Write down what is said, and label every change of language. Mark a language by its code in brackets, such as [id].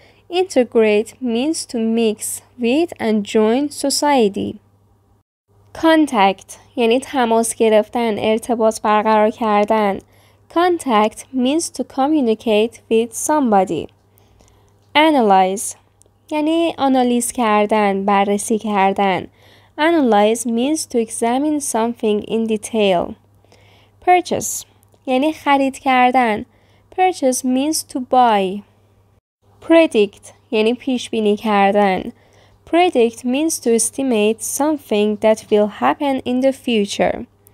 [en] Integrate means to mix with and join society. [fa] Contact یعنی تماس گرفتن، ارتباط برقرار کردن. [en] Contact means to communicate with somebody. [fa] Analyze یعنی آنالیز کردن، بررسی کردن. [en] Analyze means to examine something in detail. [fa] Purchase یعنی خرید کردن. [en] Purchase means to buy. [fa] Predict یعنی پیش بینی کردن. [en] Predict means to estimate something that will happen in the future.